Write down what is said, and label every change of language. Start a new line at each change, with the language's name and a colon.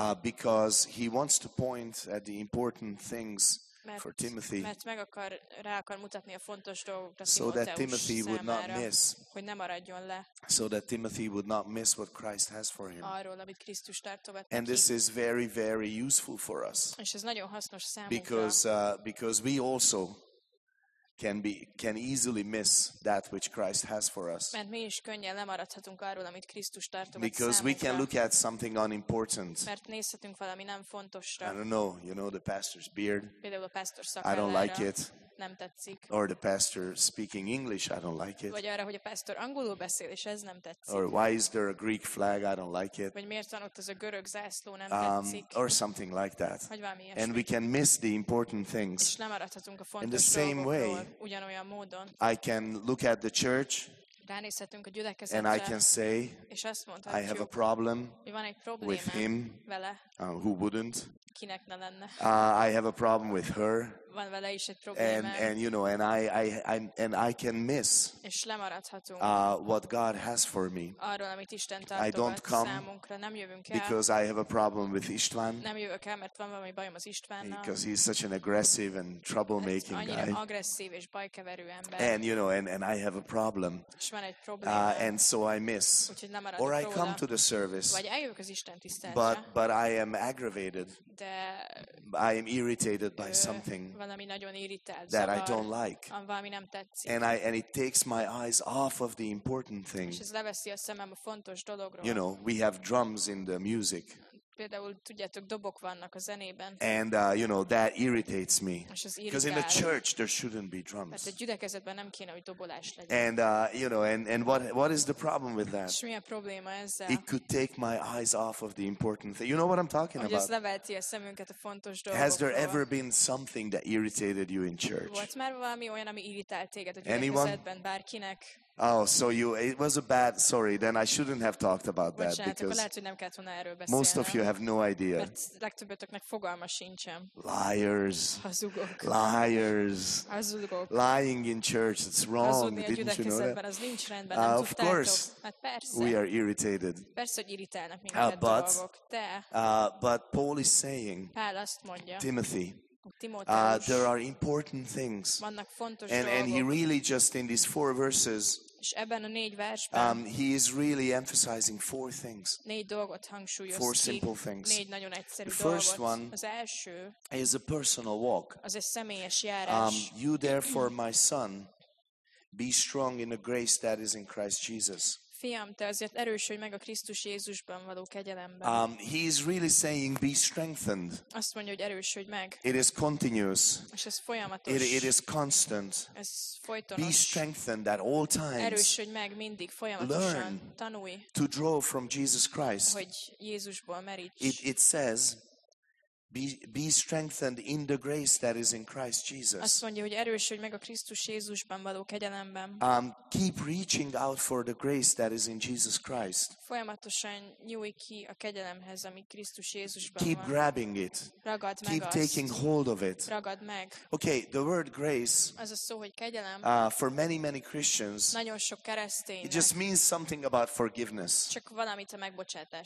English: Because he wants to point at the important things.
Hungarian: Mert,
English: for Timothy,
Hungarian: meg akar, rá akar mutatni a fontos dolgokat Timóteus számára,
English: that Timothy would not miss,
Hungarian: hogy ne maradjon le.
English: So that Timothy would not miss what Christ has for him.
Hungarian: Arról, amit Krisztus tartogat neki.
English: And this is very, very useful for us.
Hungarian: És ez nagyon hasznos számunkra.
English: Because we also can easily miss that which Christ has for us.
Hungarian: Mert mi is könnyen lemaradhatunk arról, amit Krisztus tartogat számunkra.
English: Because we can look at something unimportant.
Hungarian: Mert nézhetünk valami nem fontosra.
English: I don't know, you know, the pastor's beard.
Hungarian: Például a pastor szakállára.
English: I don't like it.
Hungarian: Nem tetszik.
English: Or the pastor speaking English, I don't like it.
Hungarian: Vagy arra, hogy a pastor angolul beszél, és ez nem tetszik.
English: Or why is there a Greek flag, I don't like it.
Hungarian: Vagy miért van ott az a görög zászló, nem tetszik.
English: Or something like that.
Hungarian: Vagy valami ilyesmi.
English: And we can miss the important things.
Hungarian: És lemaradhatunk a fontos
English: in the same way,
Hungarian: ugyanolyan módon.
English: I can look at the church,
Hungarian: ránézhetünk a gyülekezetre,
English: and I can say,
Hungarian: és azt mondhatjuk,
English: I have a problem with him,
Hungarian: vele.
English: Who wouldn't.
Hungarian: Kinek ne lenne.
English: I have a problem with her.
Hungarian: Van vele is egy probléma.
English: And you know, and I can miss.
Hungarian: És lemaradhatunk.
English: What God has for me.
Hungarian: Arról, amit Isten tartogat.
English: I don't come
Hungarian: számunkra, nem jövünk el.
English: Because I have a problem with István.
Hungarian: Nem jövök el, mert van valami bajom az Istvánnal.
English: Because he's such an aggressive and troublemaking
Hungarian: annyira
English: guy.
Hungarian: Agresszív és bajkeverő ember.
English: And you know, and I have a problem.
Hungarian: És van egy probléma.
English: And so I miss.
Hungarian: Úgyhogy lemaradok.
English: Or I come to the service.
Hungarian: Vagy eljövök az Isten tiszteletre.
English: But I am aggravated.
Hungarian: De
English: I am irritated by something.
Hungarian: Valami nagyon irritált,
English: that I don't like.
Hungarian: Valami nem tetszik.
English: And it takes my eyes off of the important thing.
Hungarian: És ez leveszi a szemem a fontos dologról.
English: You know, we have drums in the music.
Hungarian: Például, tudjátok, dobok vannak a zenében.
English: And you know, that irritates me. Because in the church there shouldn't be drums.
Hungarian: Mert egy gyülekezetben nem kéne, hogy dobolás legyen.
English: And you know, and what is the problem with that?
Hungarian: És mi a probléma ezzel?
English: It could take my eyes off of the important thing. You know what I'm talking
Hungarian: hogy
English: about?
Hungarian: Ez leveti a szemünket a fontos dolgokról.
English: Has there ever been something that irritated you in church?
Hungarian: Volt már valami olyan, ami irritált téged a gyülekezetben, bárkinek?
English: Anyone? Oh, so you, it was a bad, sorry, then I shouldn't have talked about
Hungarian: bocsánat,
English: that, because
Hungarian: lehet, hogy nem kellett volna erről beszélnem,
English: most of you have no idea.
Hungarian: Mert legtöbbetöknek fogalma sincsen.
English: Liars.
Hungarian: Hazugok.
English: Liars.
Hungarian: Hazugok.
English: Lying in church, it's wrong, didn't you know that?
Hungarian: Az nincs rendben, nem
English: of course,
Hungarian: hát persze,
English: we are irritated.
Hungarian: Persze, hogy irritálnak minket
English: but,
Hungarian: dolgok, de,
English: but Paul is saying,
Hungarian: Pál azt mondja,
English: Timothy,
Hungarian: Timoteus,
English: there are important things.
Hungarian: Vannak fontos
English: and,
Hungarian: dolgok.
English: And he really just in these four verses,
Hungarian: és ebben a négy versben,
English: he is really emphasizing four things.
Hungarian: Négy dolgot hangsúlyoz,
English: four simple things.
Hungarian: Négy nagyon egyszerű
English: the first
Hungarian: dolgot.
English: One
Hungarian: az első,
English: is a personal walk.
Hungarian: Az egy személyes járás.
English: You therefore, my son, be strong in the grace that is in Christ Jesus.
Hungarian: Fiam, te azért erősödj meg a Krisztus Jézusban való kegyelemben.
English: He is really saying, be strengthened.
Hungarian: Azt mondja, hogy erősödj meg.
English: It is continuous.
Hungarian: És ez folyamatos.
English: It is constant.
Hungarian: Ez folytonos.
English: Be strengthened at all times.
Hungarian: Erősödj meg mindig, folyamatosan.
English: Learn.
Hungarian: Tanulj.
English: To draw from Jesus Christ.
Hungarian: Hogy Jézusból meríts.
English: It says, be strengthened in the grace that is in Christ Jesus.
Hungarian: Azt mondja, hogy erősödj meg a Krisztus Jézusban való kegyelemben.
English: Keep reaching out for the grace that is in Jesus Christ.
Hungarian: Folyamatosan nyújj ki a kegyelemhez, ami Krisztus Jézusban
English: keep
Hungarian: van.
English: Grabbing it.
Hungarian: Ragadd meg
English: keep
Hungarian: azt.
English: Taking hold of it.
Hungarian: Ragadd meg.
English: Okay, the word grace.
Hungarian: Az a szó, hogy kegyelem.
English: For many Christians.
Hungarian: Nagyon sok kereszténynek.
English: It just means something about forgiveness.
Hungarian: Csak valamit a megbocsátás.